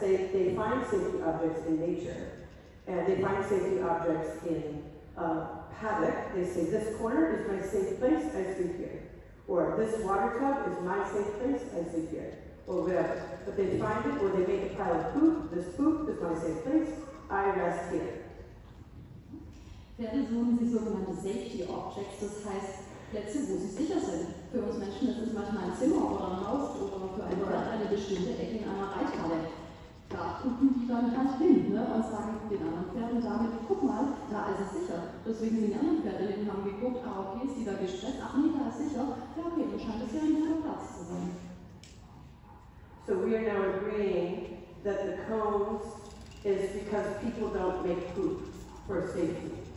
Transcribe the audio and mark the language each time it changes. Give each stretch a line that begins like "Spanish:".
English: They find safety objects in nature, and they find safety objects in paddock. They say, this corner is my safe place, I sleep here. Or this water tub is my safe place, I sleep here. Or whatever. But they find it, or they make a pile of poop. This poop is my safe place, I rest here.
German: Pferde suchen sich sogenannte Safety Objects, das heißt Plätze, wo sie sicher sind. Für uns Menschen ist es manchmal ein Zimmer oder ein Haus oder für ein Pferd eine bestimmte Ecke in einer Reithalle. Da gucken die dann halt hin, ne, und sagen den anderen Pferden damit, guck mal, da ist es sicher. Deswegen sind die anderen Pferde eben haben geguckt, ah okay, ist die da gestresst, ach nee, da ist sicher, ja okay, dann scheint es ja ein guter Platz zu sein.
English: So we are now agreeing that the cones is because people don't make poop for safety.